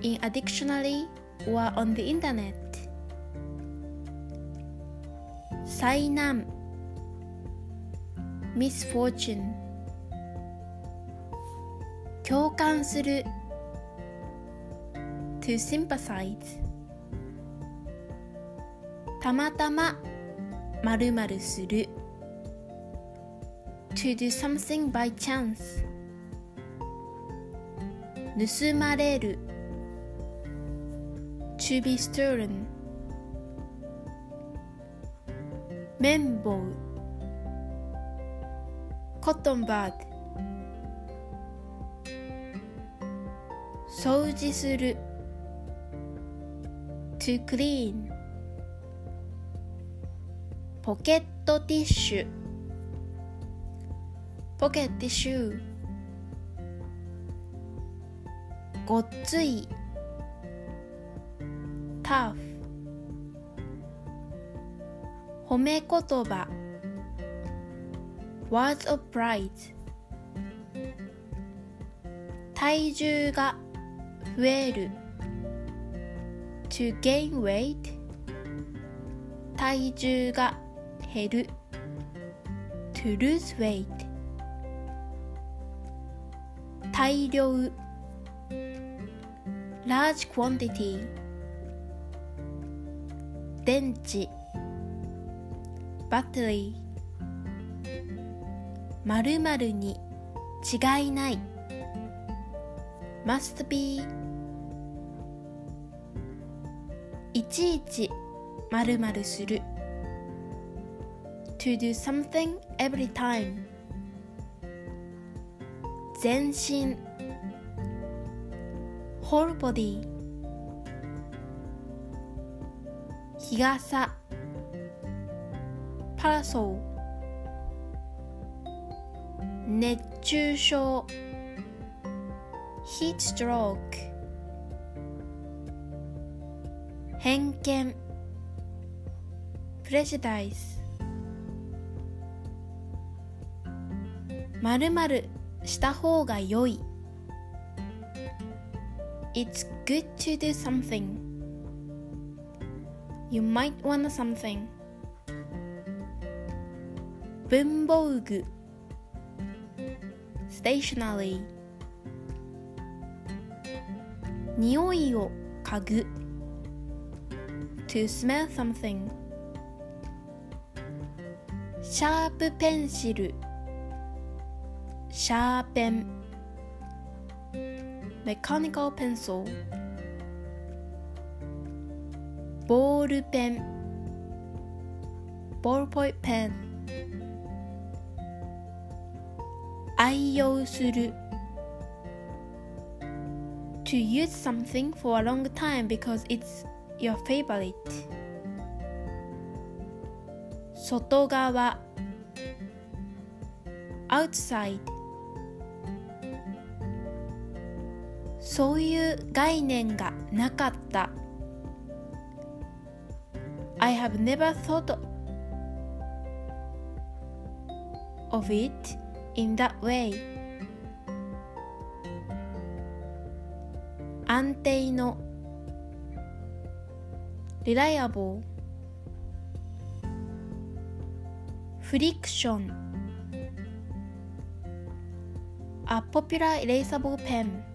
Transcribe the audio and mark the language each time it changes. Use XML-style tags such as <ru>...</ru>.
<en>in a dictionary or on the internet. 災難 misfortune. 共感する to sympathize. たまたま〇〇する to do something by chance. 盗まれる to be stolen. 綿棒 cotton bud. 掃除する to clean. ポケットティッシュ pocket tissue. ごっつい tough. 褒め言葉 words of praise. 体重が増える to gain weight. 体重が減る to lose weight. 大量 large quantity. 電池 battery. 丸々に違いない must be. いちいち丸々するto do something every time. 全身 whole body. 日傘 parasol. 熱中症 heat stroke. 偏見 prejudice.</en> <ja>まるまるした方が良い。</ja> <en>It's good to do something. You might want something. 文房具 stationery. 匂いを嗅ぐ to smell something. シャープペンシルシャーペン mechanical pencil ボールペン ballpoint pen 愛用する to use something for a long time because it's your favorite 外側 outside.</en> <ja>そういう概念がなかった。</ja> <en>I have never thought of it in that way. 安定の Reliable Friction A popular erasable pen.</en>